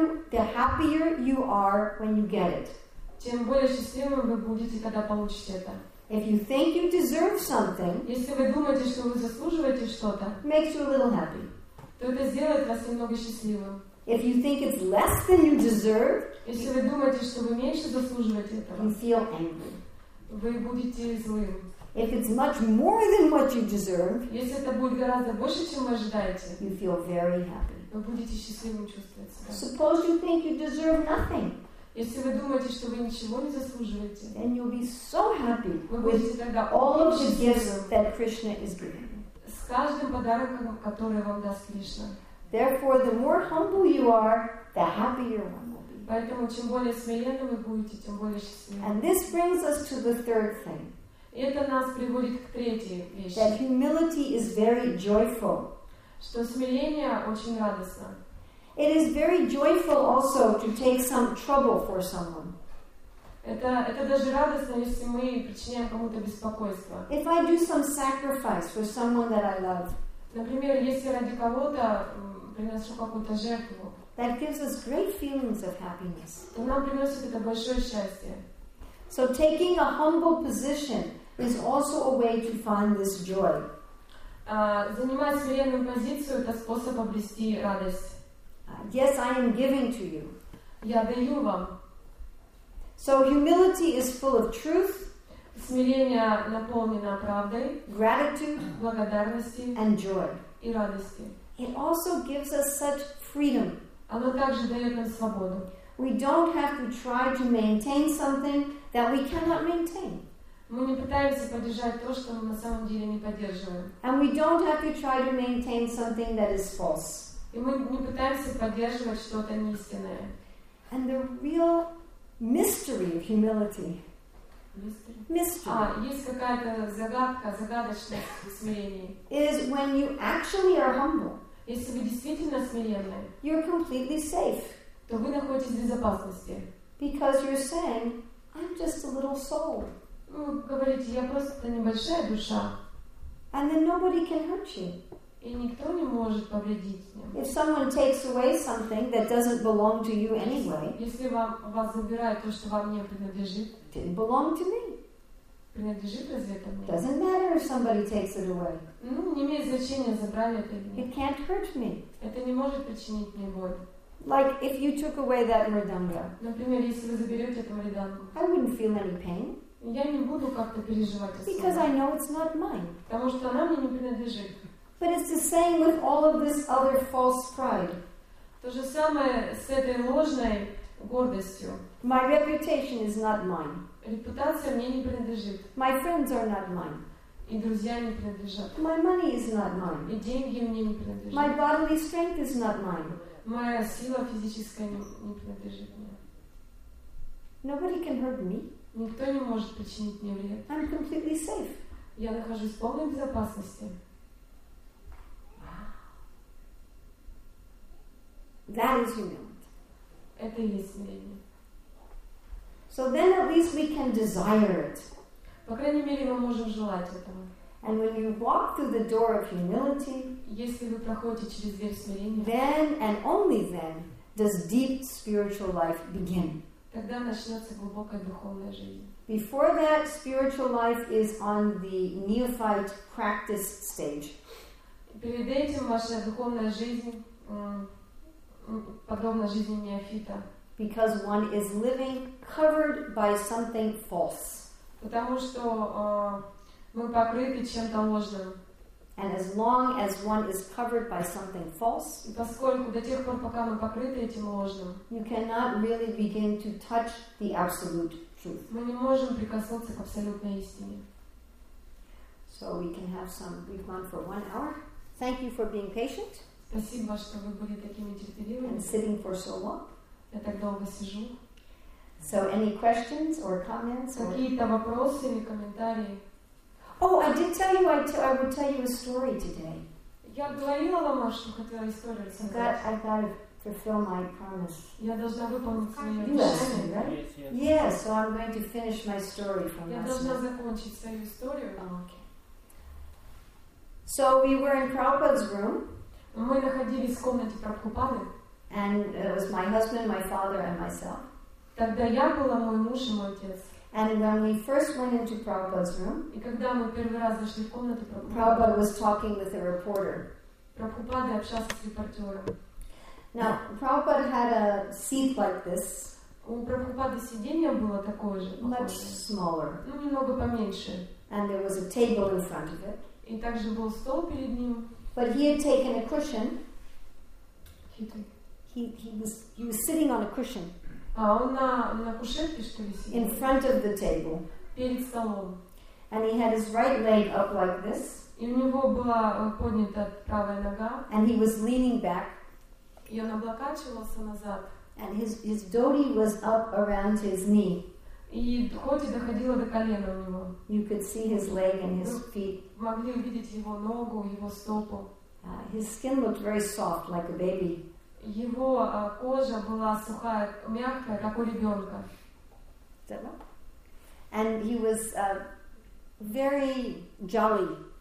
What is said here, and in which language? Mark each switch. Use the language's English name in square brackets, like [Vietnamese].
[English] the happier you are when you get it. [Russian] Тем более счастливым вы будете, когда получите это. [English] If you think you deserve something, [Russian] если вы думаете, что вы заслуживаете что-то, [English] makes you a little happy. [Russian] То это сделает вас немного счастливым. [English] If you think it's less than you deserve, [Russian] если вы думаете, что вы меньше заслуживаете этого, [English] you feel angry. [Russian] Вы будете злым. [English] If it's much more than what you deserve, [Russian] если это будет гораздо больше, чем вы ожидаете, [English] you feel very happy. [Russian] Вы будете счастливым чувствовать себя. [English] Suppose you think you deserve nothing, [Russian] если вы думаете, что вы ничего не заслуживаете, [English] then you'll be so happy with all of the gifts that Krishna is giving. [Russian] С каждым подарком, который вам даст Кришна. [English] Therefore, the more humble you are, the happier one will be. [Russian] Поэтому чем более смиренным вы будете, тем более счастливым. [English] And this brings us to the third thing. [Russian] Это нас приводит к третьей вещи. [English] That humility is very joyful. [Russian] Что смирение очень радостно. [English] It is very joyful also to take some trouble for someone. [Russian] Это даже радостно, если мы причиняем кому-то беспокойство. [English] If I do some sacrifice for someone that I love. [Russian] Например, если ради кого-то приношу какую-то жертву. [English] That gives us great feelings of happiness. [Russian] То нам приносит это большое счастье. [English] So taking a humble position is also a way to find this joy. [Russian] Занимать смиренную позицию – это способ обрести радость. [English] Yes, I am giving to you. [Russian] Я даю вам. [English] So humility is full of truth. [Russian] Смирение наполнено правдой, [English] gratitude, [Russian] благодарностью [English] and joy. [Russian] И радостью. [English] It also gives us such freedom. [Russian] Оно также дает нам свободу. [English] We don't have to try to maintain something that we cannot maintain. [Russian] Мы не пытаемся поддержать то, что мы на самом деле не поддерживаем. [English] And we don't have to try to maintain something that is false. [Russian] И мы не пытаемся поддерживать что-то неистинное. [English] And the real mystery of humility. Mystery. [Russian] Есть какая-то загадка, загадочность в смирении. [English] Is when you actually are humble. [Russian] Если вы действительно смиренны, [English] you're completely safe. [Russian] То вы находитесь в безопасности. [English] Because you're saying, I'm just a little soul. [Russian] Ну, говорите, я просто небольшая душа. [English] And then nobody can hurt you. [Russian] И никто не может повредить мне. [English] If someone takes away something that doesn't belong to you anyway. [Russian] Если вас забирают то, что вам не принадлежит. [English] Didn't belong to me. [Russian] Принадлежит разве это мне? [English] Doesn't matter if somebody takes it away. [Russian] Ну, не имеет значения, забрали это или нет. [English] It can't hurt me. [Russian] Это не может причинить мне боль. [English] Like if you took away that mridanga. [Russian] Например, если вы заберете эту мриданку. [English] I wouldn't feel any pain. [Russian] Я не буду как-то переживать о себе. [English] Because I know it's not mine. [Russian] Потому что она мне не принадлежит. [English] But it's the same with all of this other false pride. [Russian] То же самое с этой ложной гордостью. [English] My reputation is not mine. [Russian] Репутация мне не принадлежит. [English] My friends are not mine. [Russian] И друзья не принадлежат. [English] My money is not mine. [Russian] И деньги мне не принадлежат. [English] My bodily strength is not mine. [Russian] Моя сила физическая не принадлежит мне. [English] Nobody can hurt me. [Russian] Никто не может причинить мне вред. [English] I'm completely safe. [Russian] Я нахожусь в полной безопасности. [English] That is humility. [Russian] Это и есть смирение. [English] So then at least we can desire it. [Russian] По крайней мере, мы можем желать этого. [English] And when you walk through the door of humility, [Russian] если вы проходите через дверь смирения, [English] then and only then does deep spiritual life begin. [Russian] Тогда начнется глубокая духовная жизнь. [English] Before that, spiritual life is on the neophyte practice stage. [Russian] Перед этим ваша духовная жизнь подобна жизни неофита. [English] Because one is living covered by something false. [Russian] Потому что мы покрыты чем-то ложным. [English] And as long as one is covered by something false, [Russian] и поскольку до тех пор, пока мы покрыты этим ложным, [English] you cannot really begin to touch the absolute truth. [Russian] Мы не можем прикоснуться к абсолютной истине. [English] So we can have some. We've gone for 1 hour. Thank you for being patient. [Russian] Спасибо, что вы были такими терпеливыми. [English] And sitting for so long. [Russian] Я так долго сижу. [English] So any questions or comments? [Russian] Какие-то вопросы или комментарии? [English] Oh, I did tell you I would tell you a story today. [Russian] Я говорила вам, что хотела историю рассказать. [English] I've got to fulfill my promise. [Russian] Я должна выполнить свое обещание. [English] Yes, so I'm going to finish my story from last night. [Russian] Я должна закончить свою историю. [English] Okay. So we were in Prabhupada's room. [Russian] Мы находились в комнате Прабхупады. [English] And it was my husband, my father, and myself. [Russian] Тогда я была, мой муж и мой отец. [English] And when we first went into Prabhupada's room, [Russian] и когда мы первый раз зашли в комнату, [English] Prabhupada was talking with a reporter. [Russian] Прабхупада общался с репортером. [English] Now, Prabhupada had a seat like this. [Russian] У Прабхупады сиденье было такое же. [English] Much smaller. [Russian] Ну, немного поменьше. [English] And there was a table in front of it. [Russian] И также был стол перед ним. [English] But he had taken a cushion. He was sitting on a cushion. [Russian] А он на кушетке, что ли, сидел? [English] In front of the table. [Russian] Перед столом. [English] And he had his right leg up like this. [Russian] И у него была поднята правая нога. [English] And he was leaning back. [Russian] И он облокачивался назад. [English] And his dhoti was up around his knee. [Russian] И дхоти доходило до колена у него. [English] You could see his leg and his feet. [Russian] Могли увидеть его ногу, его стопу. [English] His skin looked very soft, like a baby. [Russian] Его кожа была сухая, мягкая, как у ребенка. [English] And he was very jolly.